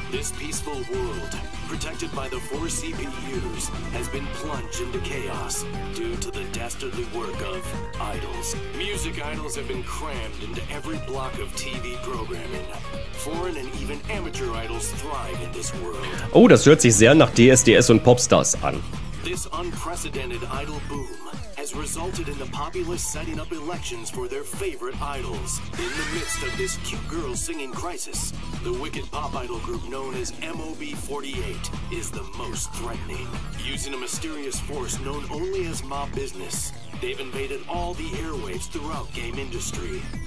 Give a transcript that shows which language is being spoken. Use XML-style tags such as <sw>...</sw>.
<en>This peaceful world, protected by the four CPUs, has been plunged into chaos due to the dastardly work of idols. Music idols have been crammed into every block of TV programming. Foreign and even amateur idols thrive in this world.</en> <de>Oh, das hört sich sehr nach DSDS und Popstars an.</de> <en>This unprecedented idol boom has resulted in the populace setting up elections for their favorite idols. In the midst of this cute girl singing crisis, the wicked pop idol group known as MOB48 is the most threatening. Using a mysterious force known only as Mob Business, they've invaded all the airwaves throughout game industry.</en>